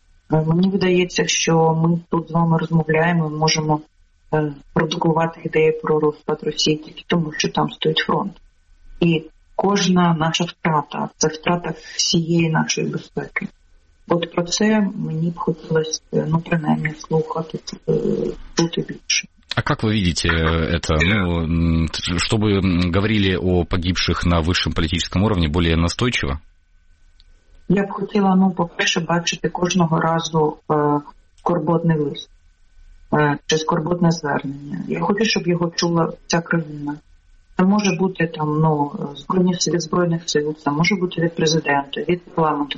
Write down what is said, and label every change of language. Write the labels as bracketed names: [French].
[Ukrainian] Мені видається, що ми тут з вами розмовляємо, можемо продукувати ідеї про розпад Росії тільки тому, що там стоїть фронт. І кожна наша втрата – це втрата всієї нашої безпеки. От про це мені б хотілося, ну, принаймні, слухати, бути більше. [Russian] А как вы видите это? Ну, чтобы говорили о погибших на высшем политическом уровне более настойчиво? Я бы хотела, [Ukrainian] ну, по-перше, бачити кожного разу скорботний лист, чи скорботне звернення. Я хочу, щоб його чула вся країна. Це може бути там, ну, збройних сил, це може бути від президента, від парламенту.